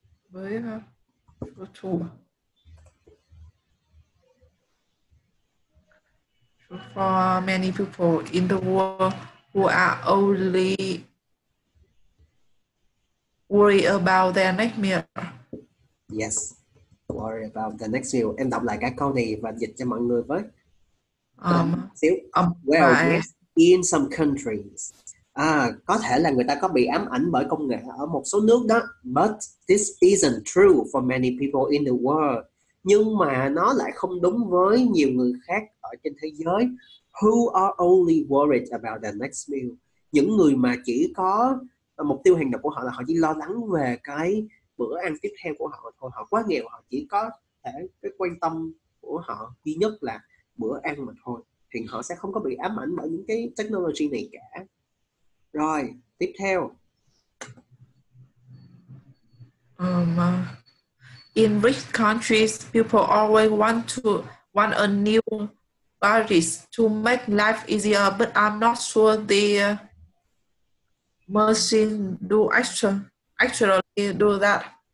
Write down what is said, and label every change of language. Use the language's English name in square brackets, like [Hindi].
[English] Với true for many people in the world who are only worried about their next meal. Yes. Worry about the next meal. [Vietnamese] Em đọc lại cái câu này và dịch cho mọi người với. [English] Well, yes, in some countries. [Vietnamese] À, có thể là người ta có bị ám ảnh bởi công nghệ ở một số nước đó. [English] But this isn't true for many people in the world. [Vietnamese] Nhưng mà nó lại không đúng với nhiều người khác ở trên thế giới. [English] Who are only worried about the next meal. [Vietnamese] Những người mà chỉ có mục tiêu hàng đầu của họ là họ chỉ lo lắng về cái bữa ăn tiếp theo của họ thôi. Họ quá nghèo, họ chỉ có thể cái quan tâm của họ duy nhất là bữa ăn mà thôi, thì họ sẽ không có bị ám ảnh bởi những cái technology này cả. Rồi tiếp theo. [English] In rich countries, people always want a new gadget to make life easier, but I'm not sure the machine do actually do that.